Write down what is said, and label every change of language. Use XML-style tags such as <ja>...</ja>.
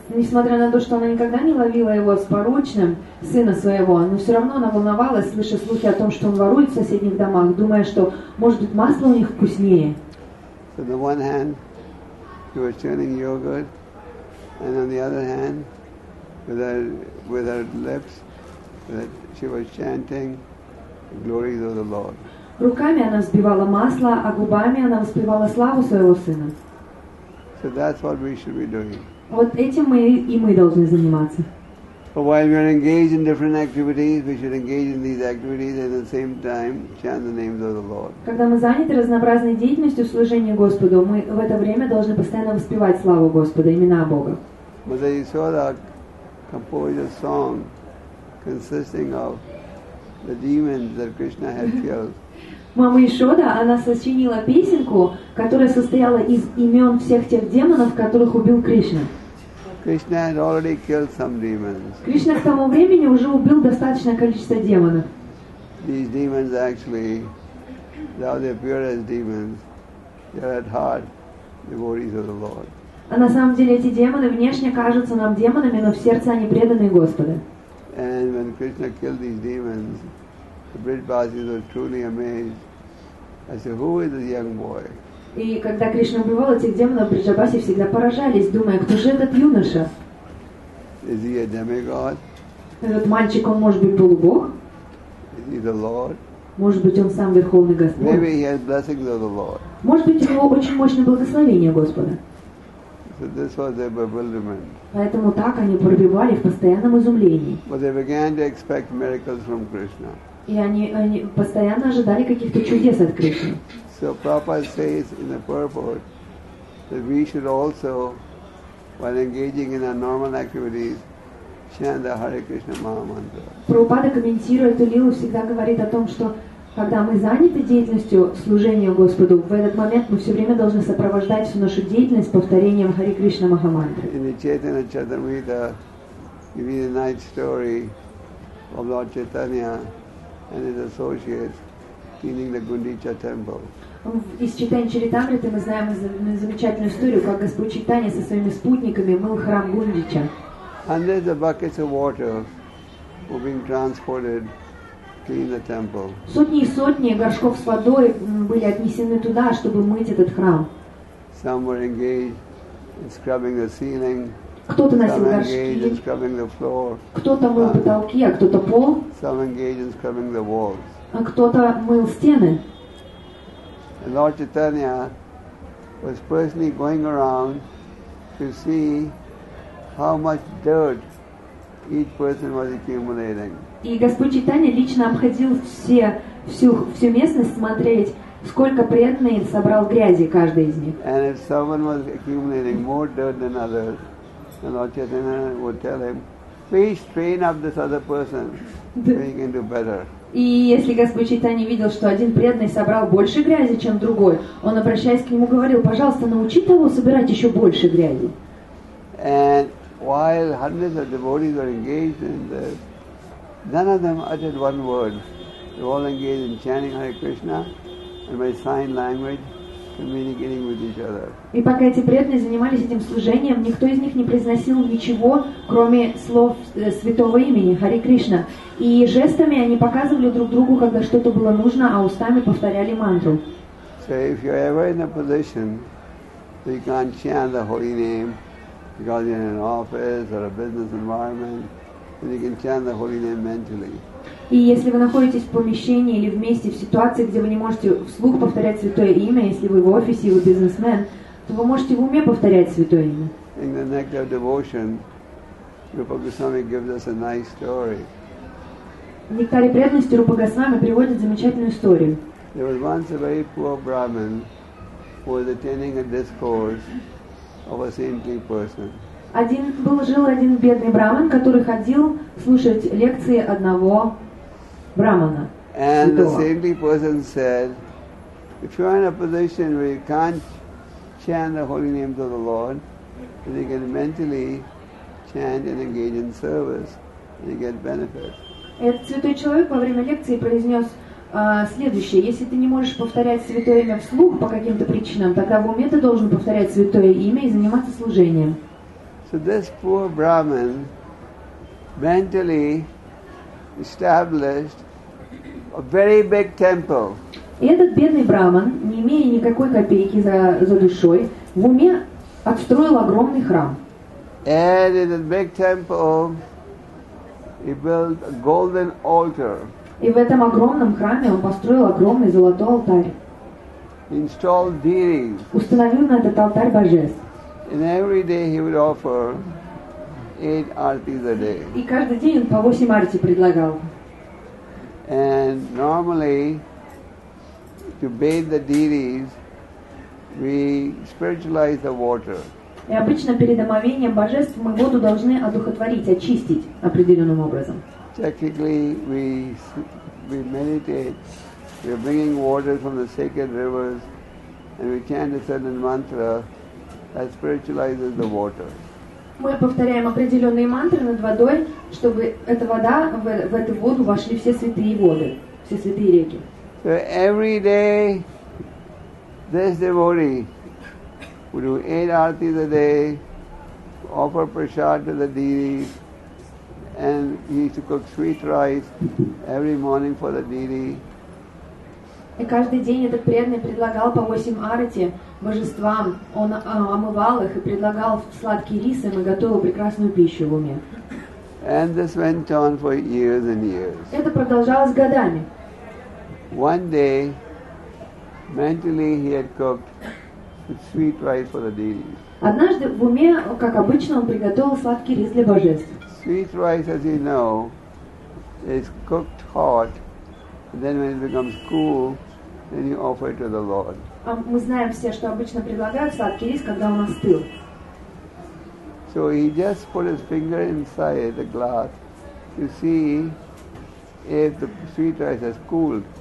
<ru>Несмотря на то, что она никогда не ловила его с порочным, сына своего, но все равно она волновалась, слыша слухи о том, что он ворует в соседних домах, думая, что, может быть, масло у них вкуснее.</ru> <en>So on the one hand, she was churning yogurt, and on the other hand, with her lips, that she was chanting the glories of the Lord.</en> <ru>Руками она взбивала масло, а губами она воспевала славу своего сына.</ru> <en>So that's what we should be doing.</en> <ru>Вот этим мы и мы должны заниматься.</ru> <en>But while we are engaged in different activities, we should engage in these activities and at the same time chant the names of the Lord.</en> <ru>Когда мы заняты разнообразной деятельностью в служении Господу, мы в это время должны постоянно воспевать славу Господа, имена Бога.</ru> <en>Mother Yasoda composed a song consisting of the demons that Krishna had killed.</en> <ru>Мама Ишода, она сочинила песенку, которая состояла из имен всех тех демонов, которых убил Кришна.</ru> <en>Krishna had already killed some demons.</en> <ru>Кришна к тому времени уже убил достаточное количество демонов.</ru> <en>These demons actually, though they appear as demons, they're at heart devotees of the Lord.</en> <ru>А на самом деле эти демоны внешне кажутся нам демонами, но в сердце они преданные Господу.</ru> <en>And when Krishna killed these demons, the Brijbasis were truly amazed. I said, who is this young boy?</en> <ru>И когда Кришна убивал этих демонов, Бриджабаси всегда поражались, думая, кто же этот юноша?</ru> <en>Is he a demigod?</en> <ru>Этот мальчик, он может быть полубог?</ru> <en>Is he the Lord?</en> <ru>Может быть, он сам Верховный Господь?</ru> <en>Maybe he has blessings of the Lord.</en> <ru>Может быть, у него очень мощное благословение Господа?</ru> <en>So this was their bewilderment.</en> <ru>Поэтому так они пробивали в постоянном изумлении.</ru> <en>But they began to expect miracles from Krishna.</en> <ru>И они постоянно ожидали каких-то чудес от Кришны.</ru> <en>So Prabhupada says in the purport that we should also, while engaging in our normal activities, chant the Hare Krishna Maha Mantra.</en> <ru>Prabhupada, комментируя эту лилу, всегда говорит о том, что когда мы заняты деятельностью служения Господу, в этот момент мы все время должны сопровождать всю нашу деятельность повторением Hare Krishna Maha Mantra.</ru> <en>In the Chaitanya Charitamrita, you read a nice story of Lord Chaitanya and his associates cleaning the Gundicha temple.</en> <ru>Из Чайтанья Чаритамриты мы знаем замечательную историю, как Господь Чайтанья со своими спутниками мыл храм Гундича.</ru> <en>Hundreds of buckets of water were being transported to clean the temple.</en> <ru>Сотни и сотни горшков с водой были отнесены туда, чтобы мыть этот храм.</ru> <en>Some were engaged in scrubbing the ceiling.</en> <ru>Кто-то носил горшки. Кто-то мыл потолки, а кто-то пол.</ru> <en>Some engaged in scrubbing the walls.</en> <ru>А кто-то мыл стены.</ru> <en>And Lord Chaitanya was personally going around to see how much dirt each person was accumulating.</en> <ru>И Господь Чайтанья лично обходил всю местность смотреть, сколько преданный собрал грязи каждый из них.</ru> <en>And if someone was accumulating more dirt than others, then Lord Chaitanya would tell him, please train up this other person so he can do better.</en> <ru>И если Господь Чайтанья видел, что один преданный собрал больше грязи, чем другой, он, обращаясь к нему, говорил, пожалуйста, научи того собирать еще больше грязи.</ru> <en>And while hundreds of devotees were engaged in this, none of them uttered one word. They were all engaged in chanting Hare Krishna and by sign language communicating with each other.</en> <ru>И пока эти преданные занимались этим служением, никто из них не произносил ничего, кроме слов святого имени Hare Krishna. И жестами они показывали друг другу, когда что-то было нужно, а устами повторяли мантру.</ru> <en>So if you're ever in a position where you can't chant the holy name because you're in an office or a business environment, then you can chant the holy name mentally.</en> <ru>И если вы находитесь в помещении или вместе в ситуации, где вы не можете вслух повторять святое имя, если вы в офисе, вы бизнесмен, то вы можете в уме повторять святое имя.</ru> <en>In the nectar of devotion, Rupa Goswami gives us a nice story.</en> <ru>В нектаре преданности Рупа Госвами приводит замечательную историю.</ru> <en>There was once a very poor Brahmin who was attending a discourse of a saintly person.</en> <ru>Жил один бедный Брахман, который ходил слушать лекции одного Брахмана.</ru> <en>And the saintly person said, if you are in a position where you can't chant the holy names of the Lord, then you can mentally chant and engage in service and you get benefit.</en> <ru>Этот святой человек во время лекции произнес следующее. Если ты не можешь повторять святое имя вслух по каким-то причинам, тогда в уме ты должен повторять святое имя и заниматься служением.</ru> <en>So this poor Brahmin mentally established a very big temple.</en> <ru>И этот бедный Брахман, не имея никакой копейки за душой, в уме отстроил огромный храм.</ru> <en>And in that big temple, he built a golden altar.</en> <ru>И в этом огромном храме он построил огромный золотой алтарь.</ru> <en>Installed deities.</en> <ru>Установил на этот алтарь божеств.</ru> <en>And every day he would offer 8 artis a day.</en> <ru>И каждый день он по 8 арти предлагал.</ru> <en>And normally, to bathe the deities, we spiritualize the water.</en> <ru>И обычно перед омовением божеств мы воду должны одухотворить, очистить определенным образом.</ru> <en>Technically, we meditate. We are bringing water from the sacred rivers, and we chant a certain mantra that spiritualizes the water.</en> <ru>Мы повторяем определенные мантры над водой, чтобы эта вода в эту воду вошли все святые воды, все святые реки.</ru> <en>So every day, this devotee would do 8 artis a day, offer prasad to the deities, and he used to cook sweet rice every morning for the deity.</en> <ru>И каждый день этот преданный предлагал по 8 арати божествам. Он омывал их и предлагал сладкий рис, и мы готовил прекрасную пищу в уме.</ru> <en>And this went on for years and years.</en> <ru>Это продолжалось годами.</ru> <en>One day, mentally he had cooked sweet rice for the deity.</en> <ru>Однажды в уме, как обычно, он приготовил сладкий рис для божеств.</ru> <en>Sweet rice, as you know, is cooked hot. And then when it becomes cool, then you offer it to the Lord.</en> <ru>Мы знаем все, что обычно предлагают сладкий рис, когда он остыл.</ru> <en>So he just put his finger inside the glass to see if the sweet rice has cooled.</en>